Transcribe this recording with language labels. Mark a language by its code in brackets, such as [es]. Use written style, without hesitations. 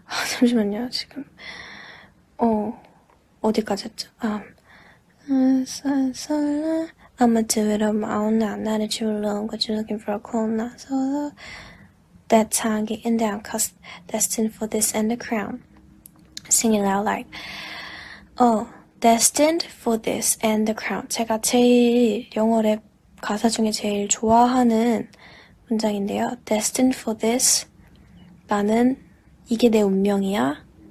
[ko] 잠시만요, 지금 어디까지 했죠? [en] Solo, I'ma do it on my own now. Now that you're alone, what you looking for a clone now? Solo, that time getting down, cause destined for this and the crown. Singing out like, oh, destined for this and the crown. [ko] 제가 제일 영어 랩 가사 중에 제일 좋아하는 문장인데요. [en] Destined for this, [ko] 나는 이게 내 운명이야.